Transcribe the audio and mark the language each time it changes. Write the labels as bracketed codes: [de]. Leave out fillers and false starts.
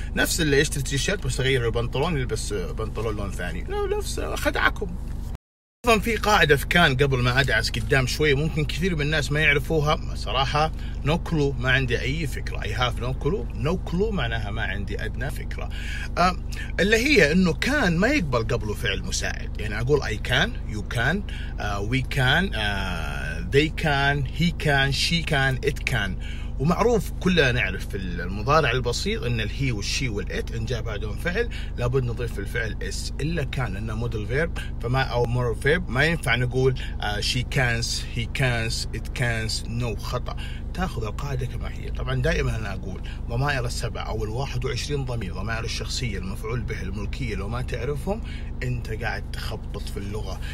[ar] نفس اللي يشتري تيشيرت بس يغير البنطلون يلبس بنطلون لون ثاني، نفس خدعكم. أيضاً في قاعدة في كان قبل ما أدعس قدام شوي، ممكن كثير من الناس ما يعرفوها صراحة. [en] No clue، [ar] ما عندي أي فكرة. [en] I have no clue. No clue [ar] معناها ما عندي أدنى فكرة. اللي هي إنه كان ما يقبل قبله فعل مساعد. يعني أقول [en] I can، you can، we can، they can، he can، she can، it can. [ar] ومعروف كلنا نعرف في المضارع البسيط ان الهي والشي والات ان جاء بعدهم فعل لابد نضيف الفعل اس، الا كان انه مودل فيرب فما او مور فيرب، ما ينفع نقول شي كانس هي كانس ات كانس. نو، خطا. تاخذ القاعده كما هي. طبعا دائما انا اقول ضمائر السبع او ال21 ضمير، ضمائر الشخصيه المفعول به الملكيه، لو ما تعرفهم انت قاعد تخبط في اللغه.